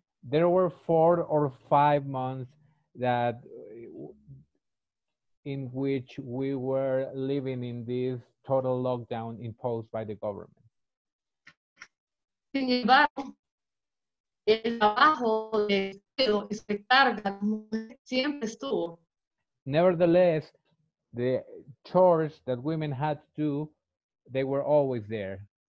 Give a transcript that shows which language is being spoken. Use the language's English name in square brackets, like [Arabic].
[English] There were 4 or 5 months that in which we were living in this total lockdown imposed by the government. [Spanish] Sin embargo, el trabajo de cuidado y de carga siempre estuvo. [English] Nevertheless, the chores that women had to do, they were always there.